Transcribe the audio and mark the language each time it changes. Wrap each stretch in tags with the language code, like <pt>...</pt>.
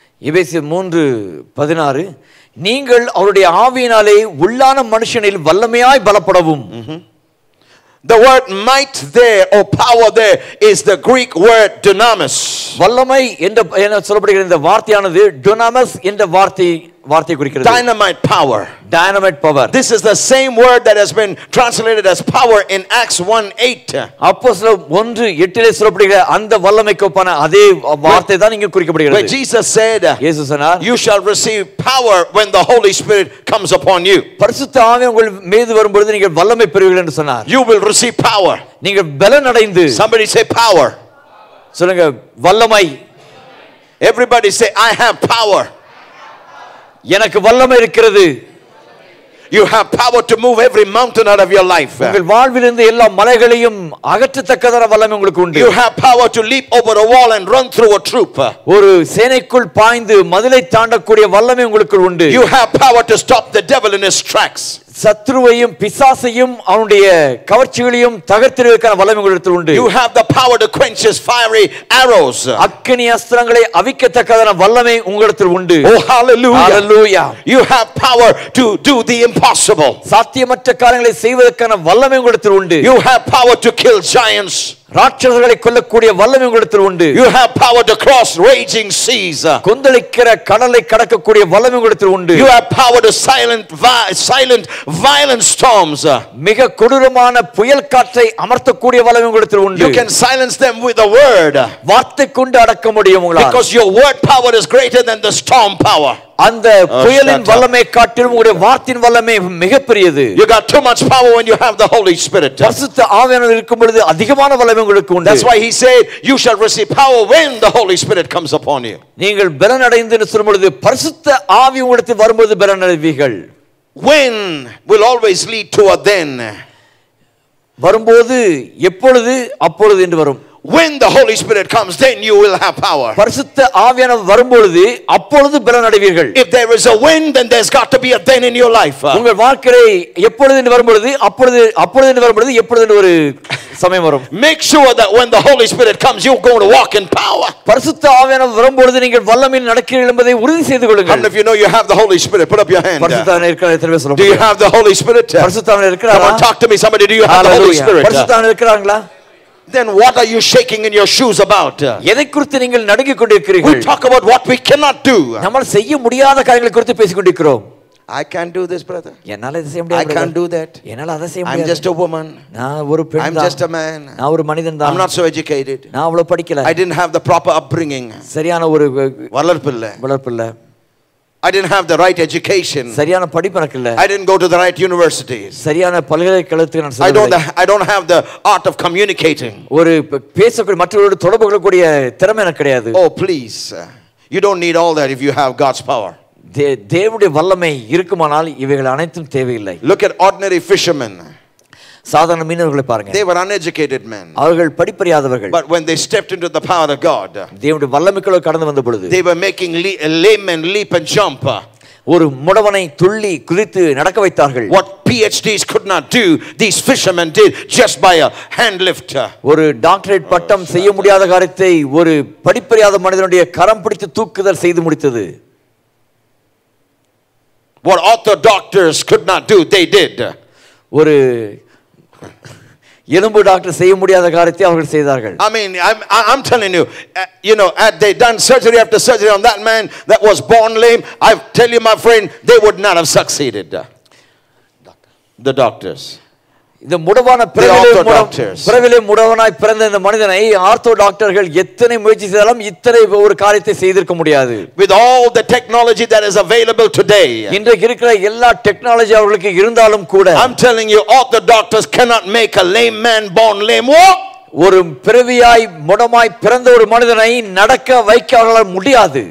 <ta>எபேசியர் 3:16, நீங்கள் அவருடைய ஆவியினாலே உள்ளான மனுஷனில் வல்லமையாய் பலப்படவும்.</ta> <en>The word might there or power there is the Greek word dunamis.</en> <ta>வல்லமை என்ற சொல்லப்படுகிற இந்த வார்த்தையானது dunamis என்ற வார்த்தையை குறிக்கிறது.</ta> <en>Dynamite power. Dynamite power. This is the same word that has been translated as power in Acts 1:8.</en> <ta>அப்போஸ்தலர் 1:8 இல் சொல்லப்படுகிற அந்த வல்லமைக்கு ஒப்பான அதே வார்த்தை தான் இங்கு குறிக்கப்படுகிறது.</ta> <en>When Jesus said,</en> <ta>இயேசு சொன்னார்,</ta> <en>you shall receive power when the Holy Spirit comes upon you.</en> <ta>பரிசுத்த ஆவி உங்கள் மீது வரும் பொழுது நீங்கள் வல்லமை பெறுவீர்கள் என்று சொன்னார்.</ta> <en>You will receive power.</en> <ta>நீங்கள் பலன் அடைந்து.</ta> <en>Somebody say power.</en> <ta>சொல்லுங்க வல்லமை.</ta> <en>Everybody say I have power.</en> <ta>எனக்கு வல்லமை இருக்கிறது.</ta> <en>You have power to move every mountain out of your life.</en> <ta>உங்கள் வாழ்விலிருந்து எல்லா மலைகளையும் அகற்றத்தக்கதர வல்லமை உங்களுக்கு உண்டு.</ta> <en>You have power to leap over a wall and run through a troop.</en> <ta>ஒரு சேனைக்குள் பாய்ந்து மதிலை தாண்டக்கூடிய வல்லமை உங்களுக்கு உண்டு.</ta> <en>You have power to stop the devil in his tracks.</en> <ta>சத்ருவையும் பிசாசையும் அவனுடைய கவர்ச்சிகளையும் தகர்த்திருக்கிற வல்லமை உங்களிடத்தில் உண்டு.</ta> <en>You have the power to quench his fiery arrows.</en> <ta>அக்கினி அஸ்திரங்களை அவிக்கத்தக்கதன வல்லமை உங்களிடத்தில் உண்டு.</ta> <en>Oh hallelujah. Hallelujah. You have power to do the impossible.</en> <ta>சாத்தியமற்ற காரியங்களை செய்வதற்கான வல்லமை உங்களிடத்தில் உண்டு.</ta> <en>You have power to kill giants.</en> <ta>ராட்சசர்களை கொல்லக்கூடிய வல்லமை உங்களிடத்தில் உண்டு.</ta> <en>You have power to cross raging seas.</en> <ta>கொந்தளிக்கிற கடலை கடக்கக்கூடிய வல்லமை உங்களிடத்தில் உண்டு.</ta> <en>You have power to silent violent storms.</en> <ta>மிக கொடூரமான புயல் காற்றை அமர்த்தக்கூடிய வல்லமை உங்களிடத்தில் உண்டு.</ta> <en>You can silence them with a word.</en> <ta>வார்த்தை கொண்டு அடக்க முடியும் உங்களால்.</ta> <en>Because your word power is greater than the storm power.</en> <ta>அந்த புயலின் வல்லமை காட்டிலும் உங்களுடைய வார்த்தையின் வல்லமை மிகப்பெரியது.</ta> <en>You got too much power when you have the Holy Spirit.</en> <ta>பரிசுத்த ஆவியானவர் இருக்கும் பொழுது அதிகமான வல்லமை உங்களுக்கு உண்டு.</ta> <en>That's why he said you shall receive power when the Holy Spirit comes upon you.</en> <ta>நீங்கள் பலன் அடைந்து நிற்கும் பொழுது பரிசுத்த ஆவி உங்களுக்கு வரும்போது பலன் அடைவீர்கள்.</ta> <en>When will always lead to a then.</en> <ta>வரும்போது எப்பொழுது அப்பொழுது என்று வரும்.</ta> <en>When the Holy Spirit comes, then you will have power.</en> <ta>பரிசுத்த ஆவியானவர் வரும்பொழுது அப்பொழுது பலன் அடைவீர்கள்.</ta> <en>If there is a when, then there's got to be a then in your life.</en> <ta>உங்கள் வாழ்க்கையில் எப்பொழுது வரும்பொழுது அப்பொழுது அப்பொழுது வரும்பொழுது எப்பொழுது ஒரு சமயம் வரும்.</ta> <en>Make sure that when the Holy Spirit comes, you're going to walk in power.</en> <ta>பரிசுத்த ஆவியானவர் வரும்பொழுது நீங்கள் வல்லமையில் நடக்கிறீர்கள் என்பதை உறுதி செய்து கொள்ளுங்கள்.</ta> <en>And if you know you have the Holy Spirit, put up your hand.</en> <ta>பரிசுத்த ஆவியானவர் இருக்கிறதை திரும்ப சொல்லுங்கள்.</ta> <en>Do you have the Holy Spirit?</en> <ta>பரிசுத்த ஆவியானவர் இருக்கிறதா?</ta> <en>Come on, talk to me, somebody. Do you have the Holy Spirit?</en> <ta>பரிசுத்த ஆவியானவர் இருக்கிறாங்களா?</ta> <en>Then what are you shaking in your shoes about?</en> <ta>எதை குறித்து நீங்கள் நடுங்கிக் கொண்டிருக்கிறீர்கள்?</ta> <en>We talk about what we cannot do.</en> <ta>நாம் செய்ய முடியாத காரியங்களை குறித்து பேசிக் கொண்டிருக்கிறோம்.</ta> <en>I can't do this, brother.</en> <ta>என்னால இதை செய்ய முடியாது.</ta> <en>I can't do that.</en> <ta>என்னால அதை செய்ய முடியாது.</ta> <en>I'm just a woman.</en> <ta>நான் ஒரு பெண் தான்.</ta> <en>I'm just a man.</en> <ta>நான் ஒரு மனிதன் தான்.</ta> <en>I'm not so educated.</en> <ta>நான் அவ்வளவு படிக்கல.</ta> <en>I didn't have the proper upbringing.</en> <ta>சரியான ஒரு வளர்ப்பு இல்லை. வளர்ப்பு இல்லை.</ta> <en>I didn't have the right education.</en> <ta>சரியான படிப்பறக்க இல்ல.</ta> <en>I didn't go to the right university.</en> <ta>சரியான பல்கலைக்கழகத்துக்கு நான் செல்லவில்லை.</ta> <en>I don't have the art of communicating.</en> <ta>ஒரு பேசக்கூடிய மற்றவர்களோடு தொடர்பு கொள்ளக்கூடிய திறமை எனக்கு கிடையாது.</ta> <en>Oh please. You don't need all that if you have God's power.</en> <ta>தேவனுடைய வல்லமை இருக்குமானால் இவைகள் அனைத்தும் தேவையில்லை.</ta> <en>Look at ordinary fishermen.</en> <ta>சாதாரண மீனவர்களை பாருங்க.</ta> <en>They were uneducated men.</en> <ta>அவர்கள் படிப்பறியாதவர்கள்.</ta> <en>But when they stepped into the power of God.</en> <ta>தேவனுடைய வல்லமைக்குள்ள கடந்து வந்த பொழுது.</ta> <en>They were making laymen leap and jump.</en> <ta>ஒரு முடவனை துள்ளி குதித்து நடக்க வைத்தார்கள்.</ta> <en>What PhDs could not do, these fishermen did just by a hand lift.</en> <ta>ஒரு டாக்டரேட் பட்டம் செய்ய முடியாத காரியத்தை ஒரு படிப்பறியாத மனிதனுடைய கரம் பிடித்து தூக்குதல் செய்து முடித்தது.</ta> <en>What author doctors could not do, they did.</en> <ta>ஒரு எலும்பு டாக்டர் செய்ய முடியாத காரியத்தை அவர்கள் செய்தார்கள்.</ta> <en>I mean I'm telling you, you know, had they done surgery after surgery on that man that was born lame, I tell you my friend, they would not have succeeded. The doctors.</en> <ta>இந்த முடவான பிறவிலே முடவனாய் பிறந்த இந்த மனிதனை ortho டாக்டர்கள் எத்தனை முயற்சி செய்தாலும் இத்தனை ஒரு காரியத்தை செய்திருக்க முடியாது.</ta> <en>With all the technology that is available today,</en> <ta>இன்றைக்கு இருக்கிற எல்லா டெக்னாலஜி அவர்களுக்கு இருந்தாலும் கூட,</ta> <en>I'm telling you, all the doctors cannot make a lame man born lame walk.</en> <ta>ஒரு பிறவியாய் முடமாய் பிறந்த ஒரு மனிதனை நடக்க வைக்க அவர்களால் முடியாது.</ta>